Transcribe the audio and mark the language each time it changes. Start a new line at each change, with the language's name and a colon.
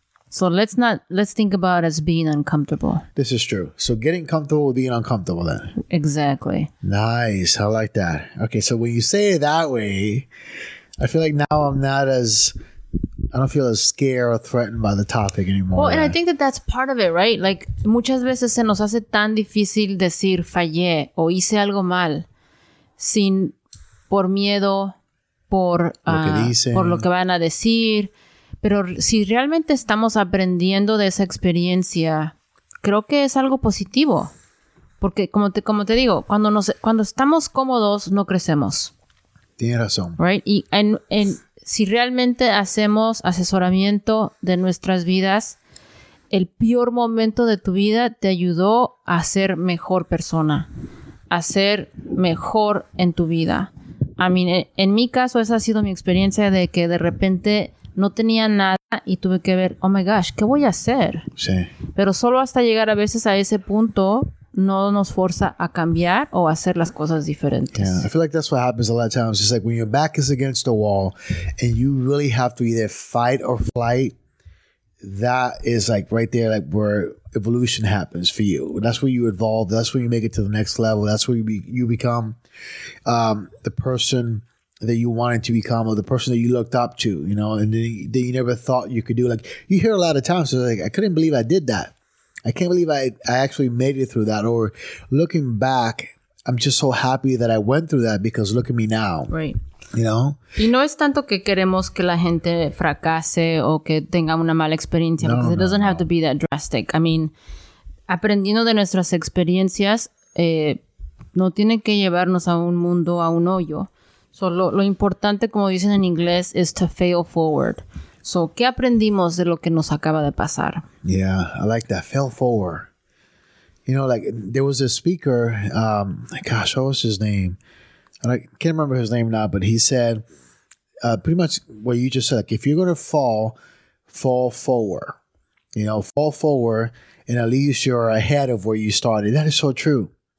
English: So let's think about as being uncomfortable. This is true. So getting comfortable with being uncomfortable then. Exactly. Nice. I like that. Okay. So when you say it that way, I feel like now I'm not as, I don't feel as scared or threatened by the topic anymore. Well, and I think that that's part of it, right?
Spanish: Like muchas veces se nos hace tan difícil decir fallé o hice algo mal sin por miedo, por lo que van a decir. Pero si realmente estamos aprendiendo de esa experiencia, creo que es algo positivo. Porque como te digo, cuando estamos cómodos, no crecemos. Tienes razón.
English: Right?
Spanish: Y en si realmente hacemos asesoramiento de nuestras vidas, el peor momento de tu vida te ayudó a ser mejor persona, a ser mejor en tu vida.
English: I mean,
Spanish: en mi caso, esa ha sido mi experiencia de que de repente no tenía nada y tuve que ver,
English: oh my gosh,
Spanish: ¿qué voy a hacer? Sí. Pero solo hasta llegar a veces a ese punto no nos forza a cambiar o a hacer las cosas diferentes.
English: Yeah, I feel like that's what happens a lot of times. It's like when your back is against the wall and you really have to either fight or flight, that is like right there like where evolution happens for you. That's where you evolve. That's where you make it to the next level. That's where you become the person that you wanted to become or the person that you looked up to, you know, and that you never thought you could do. Like, you hear a lot of times, so like, I couldn't believe I did that. I can't believe I actually made it through that. Or looking back, I'm just so happy that I went through that because look at me now. Right. You know?
Spanish: Y no es tanto que queremos que la gente fracase o que tenga una mala experiencia.
English: No, because no, it doesn't no. have to be that drastic. I mean,
Spanish: aprendiendo de nuestras experiencias, no tiene que llevarnos a un mundo, a un hoyo. So, lo importante, como dicen en inglés,
English: is to fail forward.
Spanish: So, ¿qué aprendimos de lo que nos acaba de pasar?
English: Yeah, I like that. Fail forward. You know, like, there was a speaker, gosh, what was his name? And I can't remember his name now, but he said, pretty much what you just said, like, if you're going to fall forward. You know, fall forward, and at least you're ahead of where you started. That is so true.